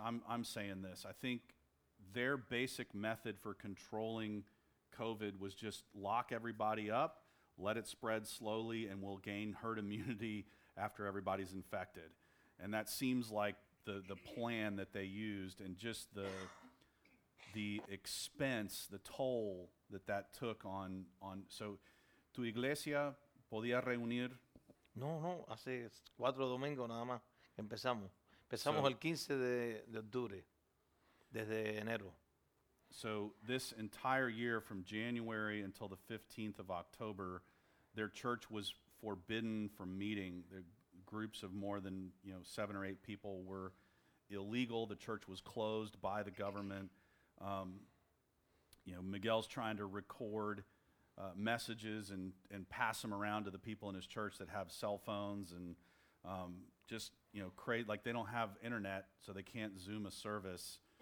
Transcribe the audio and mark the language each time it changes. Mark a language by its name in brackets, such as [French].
[English] I'm saying this. I think their basic method for controlling COVID was just lock everybody up, let it spread slowly, and we'll gain herd immunity after everybody's infected. And that seems like the plan that they used, and just the expense, the toll that took on. [Spanish] So, tu iglesia podía reunir? No, no, hace cuatro domingos nada más empezamos. Empezamos el 15 de octubre, desde enero. [English] So, this entire year from January until the 15th of October, their church was forbidden from meeting. Their groups of more than, you know, seven or eight people were illegal. The church was closed by the government. You know, Miguel's trying to record messages and pass them around to the people in his church that have cell phones, and just, you know, create, like, they don't have internet, so they can't Zoom a service.